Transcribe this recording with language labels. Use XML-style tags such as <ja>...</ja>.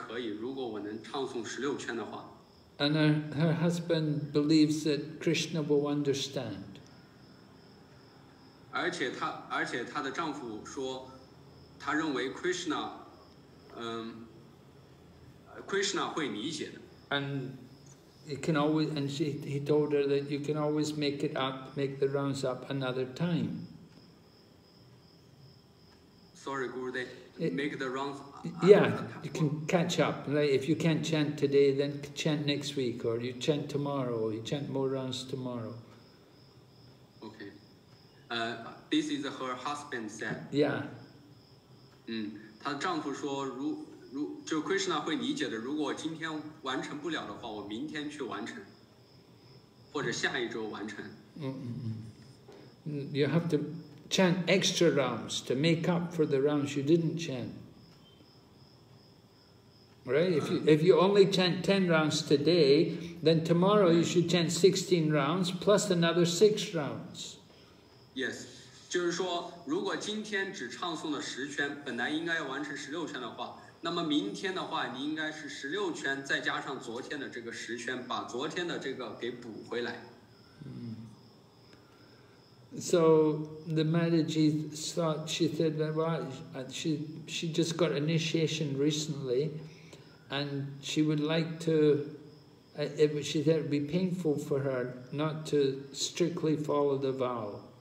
<zh>这个问题是来自于亚修达，亚修达Krishna妈的经，她在过去的几天感觉到非常的痛苦，她的丈夫就说，是她的丈夫感觉到非常痛苦，她的丈夫就说，如果是在我临死之前这样的话，我还能接，我觉得还可以，如果我能唱诵16圈的话。</zh> <en>And her husband believes that Krishna will understand.</en> <zh>而且她的丈夫说， 他认为 Krishna, Krishna 会理解的。</zh> <en>And he can always, and she, he told her that you can always make it up, make the rounds up another time. Sorry, Gurudev, make the rounds up. Yeah, you can catch up. Like if you can't chant today, then chant next week, or you chant tomorrow, or you chant more rounds tomorrow. Okay. This is her husband said. Yeah.</en> <zh>她丈夫说，就 Krishna 会理解的。如果我今天完成不了的话，我明天去完成，或者下一周完成。嗯嗯嗯。</zh> <en>You have to chant extra rounds to make up for the rounds you didn't chant. Right? If you only chant 10 rounds today, then tomorrow you should chant 16 rounds plus another 6 rounds. Yes.</en> <zh>就是说，如果今天只唱诵了10圈，本来应该完成16圈的话，那么明天的话，你应该是16圈再加上昨天的这个10圈，把昨天的这个给补回来。</zh> <en>So the Mataji thought, she said that, well, she just got initiation recently, and she would like to. She said it would be painful for her not to strictly follow the vow.</en>